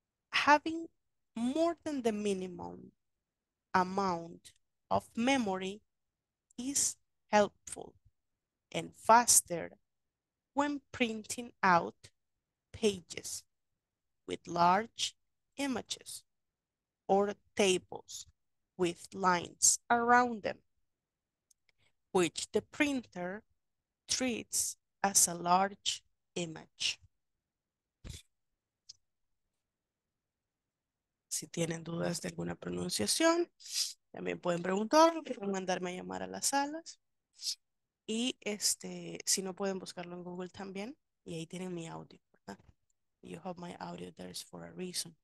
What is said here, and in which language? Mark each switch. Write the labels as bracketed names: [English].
[English] Having more than the minimum amount of memory is helpful and faster when printing out pages with large images or tables with lines around them, which the printer treats as a large image. [Spanish] Si tienen dudas de alguna pronunciación, también pueden preguntar, pueden mandarme a llamar a las salas. Y este, si no, pueden buscarlo en Google también. Y ahí tienen mi audio, ¿verdad? [English] You have my audio, there's for a reason.